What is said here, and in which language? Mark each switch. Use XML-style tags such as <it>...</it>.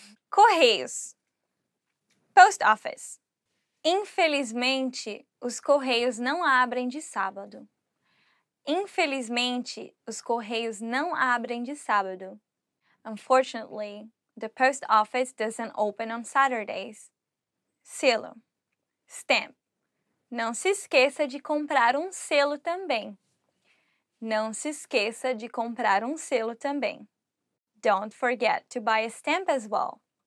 <pt>Correios.</pt> <en>Post office.</en> <pt>Infelizmente, os Correios não abrem de sábado. Infelizmente, os Correios não abrem de sábado.</pt> <en>Unfortunately, the post office doesn't open on Saturdays.</en> <pt>Selo. Stamp. Não se esqueça de comprar um selo também. Não se esqueça de comprar um selo também.</pt> <en>Don't forget to buy a stamp as well.</en>